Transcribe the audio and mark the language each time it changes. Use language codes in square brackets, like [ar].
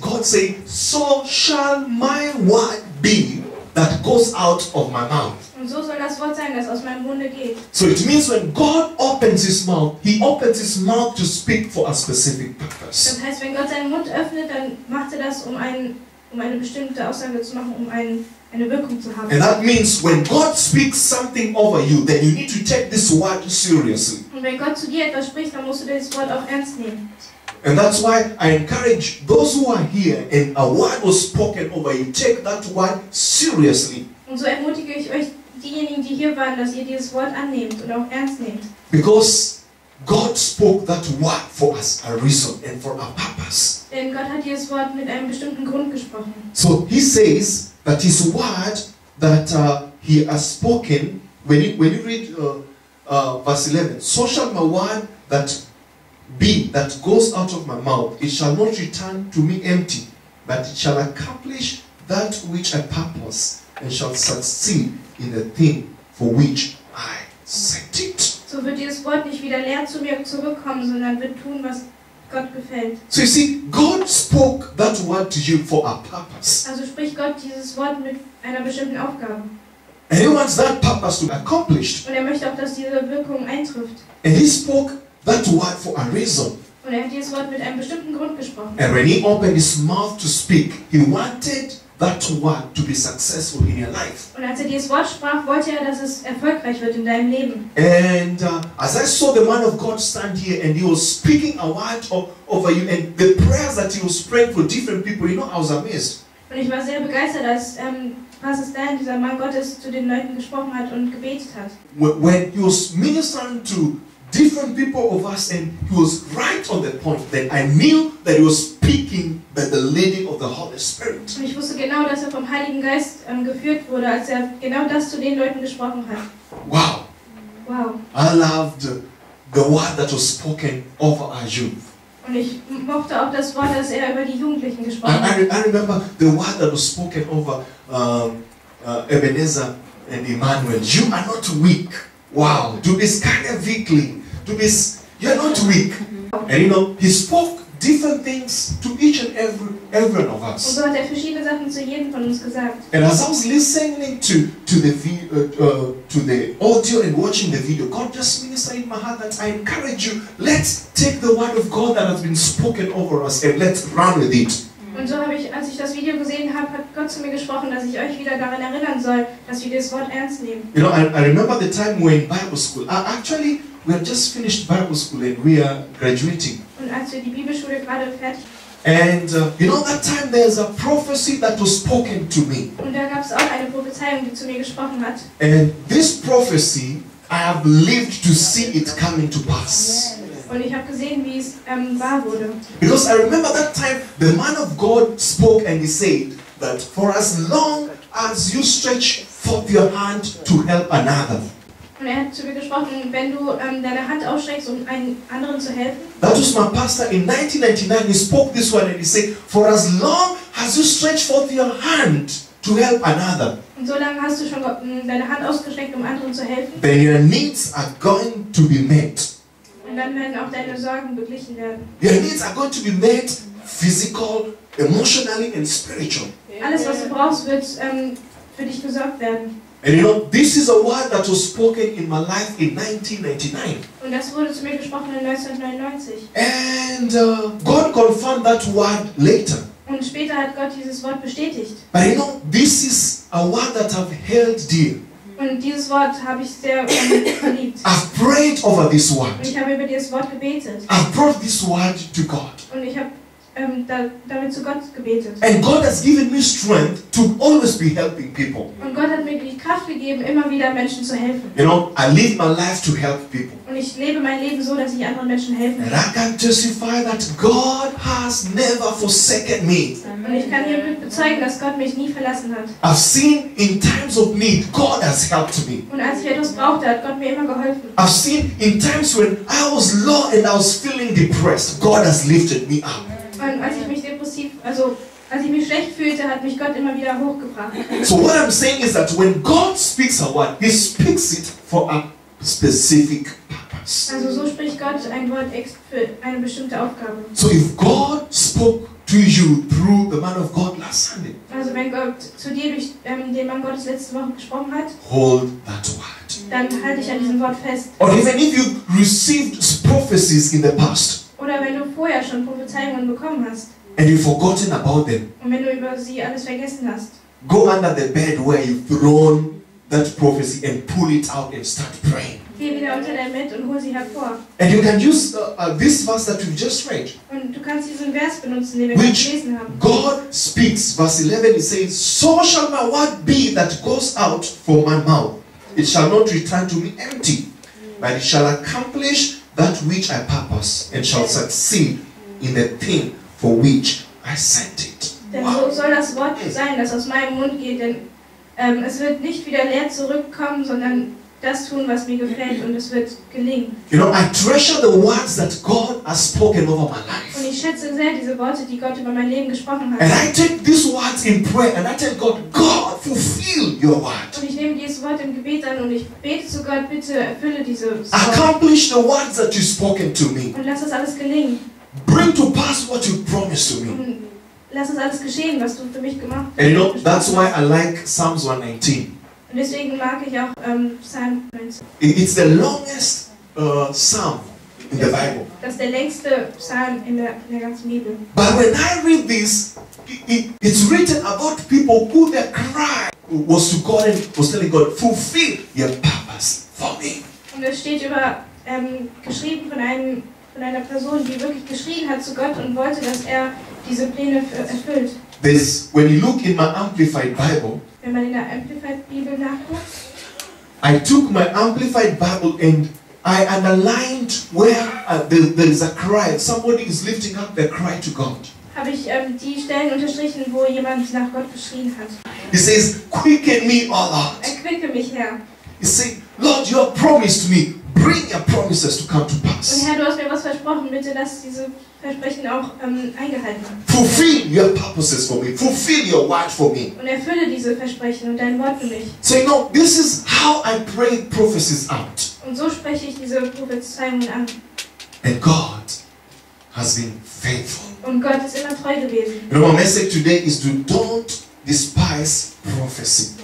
[en] God says, "So shall my word be that goes out of my mouth." [de] Und so soll das Wort sein, das aus meinem Munde geht. [en] So it means when God opens his mouth, he opens his mouth to speak for a specific purpose. [de] Das heißt, wenn Gott seinen Mund öffnet, dann macht das, um eine bestimmte Aussage zu machen, eine Wirkung zu haben. [en] And that means when God speaks something over you, then you need to take this word seriously. [de] Und wenn Gott zu dir etwas spricht, dann musst du das Wort auch ernst nehmen. [en] And that's why I encourage those who are here and a word was spoken over you, take that word seriously. [de] Und so ermutige ich euch, diejenigen, die hier waren, dass ihr dieses Wort annehmt und auch ernst nehmt. [en] Because God spoke that word for us a reason and for a purpose. [de] Denn Gott hat dieses Wort mit einem bestimmten Grund gesprochen. [en] So he says that his word that he has spoken, when you read verse 11, so shall my word that be that goes out of my mouth, it shall not return to me empty, but it shall accomplish that which I purpose and shall succeed in the thing for which I sent it. [de] So wird dieses Wort nicht wieder leer zu mir zurückkommen, sondern wird tun, was Gott gefällt. [en] So you see, God spoke that word to you for a purpose. [de] Also spricht Gott dieses Wort mit einer bestimmten Aufgabe. [en] And he wants that purpose to be accomplished. [de] Und er möchte auch, dass diese Wirkung eintrifft. [en] And he spoke that word for a reason. [de] Und er hat dieses Wort mit einem bestimmten Grund gesprochen. [en] And when he opened his mouth to speak, he wanted that word to be successful in your life. [de] Und als er dieses Wort sprach, wollte er, dass es erfolgreich wird in deinem Leben. [en] And as I saw the man of God stand here and he was speaking a word over you and the prayers that he was praying for different people, you know, I was amazed. [de] Und ich war sehr begeistert, als Pastor Stan, dieser Mann Gottes, zu den Leuten gesprochen hat und gebetet hat. [en] When he was ministering to different people of us and he was right on the point, that I knew that he was speaking by the leading of the Holy Spirit. [de] Und ich wusste genau, dass vom Heiligen Geist geführt wurde, als genau das zu den Leuten gesprochen hat. [en] Wow. [de] Wow. [en] I loved the word that was spoken over our youth. [de] Und ich mochte auch das Wort, das über die Jugendlichen gesprochen hat. [en] I remember the word that was spoken over Ebenezer and Emmanuel. You are not weak. [de] Wow, du bist keine Weakling. Du bist, [en] you're not weak. And you know, he spoke different things to each and every one of us. [de] Und so hat er verschiedene Sachen zu jedem von uns gesagt. [en] And as I was listening to the audio and watching the video, God just ministered in my heart that I encourage you, let's take the word of God that has been spoken over us and let's run with it. [de] Und so habe ich, als ich das Video gesehen habe, hat Gott zu mir gesprochen, dass ich euch wieder daran erinnern soll, dass wir das Wort ernst nehmen. [en] You know, I remember the time we were in Bible school. Actually, we have just finished Bible school and we are graduating. [de] Und als wir die Bibelschule gerade fertig. [en] And you know that time there's a prophecy that was spoken to me. [de] Und da gab es auch eine Prophezeiung, die zu mir gesprochen hat. [en] And this prophecy, I have lived to see it coming to pass. [de] Und ich habe gesehen, wie es wahr wurde. [en] Because I remember that time the man of God spoke and he said that for as long as you stretch forth your hand to help another. [de] Und er hat zu mir gesprochen, wenn du deine Hand ausstreckst, um einem anderen zu helfen. [en] That was my pastor in 1999. He spoke this one and he said, for as long as you stretch forth your hand to help another. [de] Und so lange hast du schon deine Hand ausgestreckt, um anderen zu helfen. [en] Then your needs are going to be met. [de] Und dann werden auch deine Sorgen beglichen werden. [en] Your needs are going to be met physical, emotionally and spiritual. [de] Alles, was du brauchst, wird für dich gesorgt werden. [en] And you know, this is a word that was spoken in my life in 1999. [de] Und das wurde zu mir gesprochen in 1999. [en] And God confirmed that word later. [de] Und später hat Gott dieses Wort bestätigt. [en] But you know, this is a word that I've held dear. [de] Und dieses Wort habe ich sehr verliebt. [en] I've prayed over this word. [de] Und ich habe über dieses Wort gebetet. [en] I've brought this word to God. [de] Und ich habe damit zu Gott gebetet. [en] And God has given me strength to always be helping people. [de] Und Gott hat mir die Kraft gegeben, immer wieder Menschen zu helfen. [en] You know, I live my life to help people. [de] Und ich lebe mein Leben so, dass ich anderen Menschen helfen kann. [en] And I can testify that God has never forsaken me. [de] Und ich kann hiermit bezeugen, dass Gott mich nie verlassen hat. [en] I've seen in times of need, God has helped me. [de] Und als ich etwas brauchte, hat Gott mir immer geholfen. [en] I've seen in times when I was low and I was feeling depressed, God has lifted me up. [de] Und als ich mich depressiv, also als ich mich schlecht fühlte, hat mich Gott immer wieder hochgebracht. [en] So what I'm saying is that when God speaks a word, he speaks it for a specific purpose. [de] Also so spricht Gott ein Wort für eine bestimmte Aufgabe. [en] So if God spoke to you through the man of God last Sunday. [de] Also wenn Gott zu dir durch den Mann Gottes letzte Woche gesprochen hat. [en] Hold that word. [de] Dann halte ich an diesem Wort fest. [en] Or even if you received prophecies in the past. [de] Oder wenn du vorher schon Prophezeiungen bekommen hast. [en] And you've forgotten about them. [de] Und wenn du über sie alles vergessen hast. [en] Go under the bed where you've thrown that prophecy and pull it out and start praying. [de] Geh wieder unter dein Bett und hol sie hervor. [en] And you can use this verse that we've just read. [de] Und du kannst diesen Vers benutzen, den wir gelesen haben. [en] God speaks, verse 11, it says, so shall my word be that goes out from my mouth. It shall not return to me empty, but it shall accomplish that which I purpose and shall succeed in the thing for which I sent it. [de] Denn wow. So soll das Wort sein, das aus meinem Mund geht, denn es wird nicht wieder leer zurückkommen, sondern das tun, was mir gefällt, und es wird gelingen. [en] You know, I treasure the words that God has spoken over my life. [de] Und ich schätze sehr diese Worte, die Gott über mein Leben gesprochen hat. [en] And I take these words in prayer and I tell God, God, fulfill your word. [de] Und ich nehme dieses Wort im Gebet an und ich bete zu Gott, bitte erfülle diese Worte. [en] Accomplish the words that you've spoken to me. [de] Und lass das alles gelingen. [en] Bring to pass what you promised to me. [de] Und lass das alles geschehen, was du für mich gemacht hast. [en] And you know, that's why I like Psalms 119. [de] Und deswegen mag ich auch Psalm [en] 19. It's the longest psalm in the Bible. [de] Das ist der längste Psalm in der ganzen Bibel. [en] But when I read this, it's written about people who their cry was to God and was telling God, fulfill your purpose for me. [de] Und es steht über geschrieben von einer Person, die wirklich geschrien hat zu Gott und wollte, dass er diese Pläne erfüllt. [en] This, when you look in my Amplified Bible. [de] Wenn man in der Amplified Bibel nachguckt. [en] I took my Amplified Bible and I underlined where there is a cry. Somebody is lifting up their cry to God. [de] Habe ich die Stellen unterstrichen, wo jemand nach Gott geschrien hat. [en] He says, quicken me, O Lord. [de] Erquicke mich, Herr. [en] He says, Lord, you have promised me. Bring your promises to come to pass. [de] Und Herr, du hast mir was versprochen. Bitte lass diese Versprechen auch eingehalten. [en] Fulfill your purposes for me. Fulfill your word for me. [de] Und erfülle diese Versprechen und dein Wort für mich. [en] So, you know, this is how I pray prophecies out. [de] Und so spreche ich diese Prophezeiungen an. [en] And God has been faithful. [de] Und Gott ist immer treu gewesen. [en] You know, my message today is to don't despise prophecy.